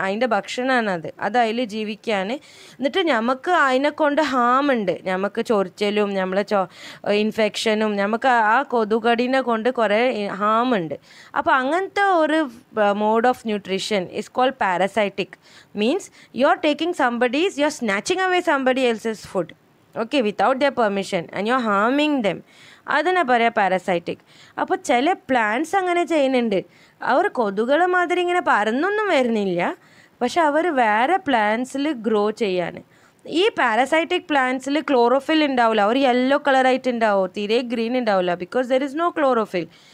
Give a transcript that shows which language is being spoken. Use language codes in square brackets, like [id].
[ml] അതിൻ്റെ ഭക്ഷണമാണ് അത്, അത് അതിൽ ജീവിക്കുകയാണ്. എന്നിട്ട് നമുക്ക് അതിനെ കൊണ്ട് ഹാമുണ്ട്. നമുക്ക് ചൊറിച്ചലും നമ്മളെ ഇൻഫെക്ഷനും നമുക്ക് ആ കൊതുകടിനെ കൊണ്ട് കുറേ ഹാമുണ്ട്. അപ്പോൾ അങ്ങനത്തെ ഒരു [en] Mode of nutrition is called parasitic. Means you are taking somebody's, you are snatching away somebody else's food, okay, without their permission, and you're harming them. [ml] അതിനെ പറയാം പാരസൈറ്റിക്. അപ്പോൾ ചില പ്ലാന്റ്സ് അങ്ങനെ ചെയ്യുന്നുണ്ട്. അവർ കൊതുകൾ മാതിരി ഇങ്ങനെ പറന്നൊന്നും വരുന്നില്ല, പക്ഷെ അവർ വേറെ പ്ലാന്റ്സിൽ ഗ്രോ ചെയ്യാണ്. ഈ പാരസൈറ്റിക് പ്ലാന്റ്സിൽ ക്ലോറോഫിൽ ഉണ്ടാവില്ല. അവർ യെല്ലോ കളറായിട്ട് ഉണ്ടാവും, തീരെ ഗ്രീൻ ഉണ്ടാവില്ല, [en] Because there is no chlorophyll.